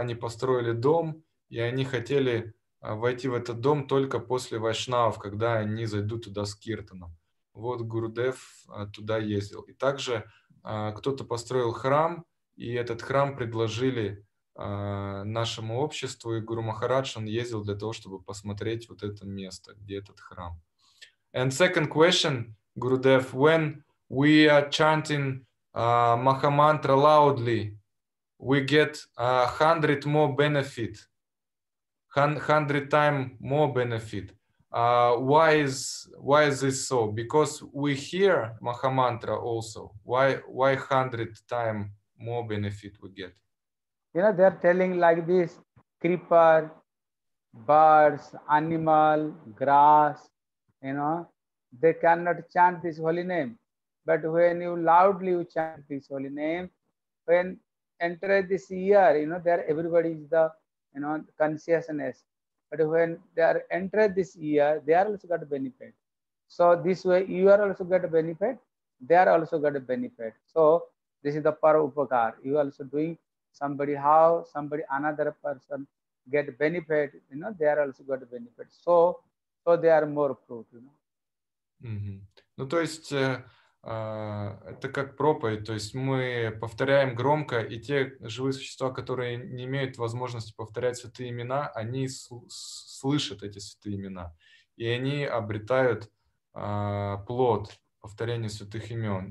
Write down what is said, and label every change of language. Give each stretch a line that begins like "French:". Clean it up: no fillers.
Russian: Они построили дом, и они хотели войти в этот дом только после вайшнавов, когда они зайдут туда с киртаном. Вот Гурудев туда ездил. И также кто-то построил храм, и этот храм предложили нашему обществу, и Гуру Махарадж, он ездил для того, чтобы посмотреть вот это место, где этот храм.
English: And second question, Gurudev, when we are chanting Maha Mantra loudly, we get 100 more benefit. 100 times more benefit. Why is this so? Because we hear Maha Mantra also. Why 100 times more benefit we get? You know, they're telling like this, creeper, birds, animal, grass, you know, they cannot chant this holy name. But when you loudly chant this holy name, when enter this year, you know, there everybody is the, you know, consciousness. But when they are entered this year, they are also got a benefit. So this way, you are also got a benefit. They are also got a benefit. So this is the para upakar. You are also doing somebody how, somebody another person get benefit. You know, they are also got a benefit. So so they are more fruit, you know. Mm-hmm.
Russian: Ну, то есть, это как проповедь, то есть мы повторяем громко, и те живые существа, которые не имеют возможности повторять святые имена, они слышат эти святые имена, и они обретают плод повторения святых имен.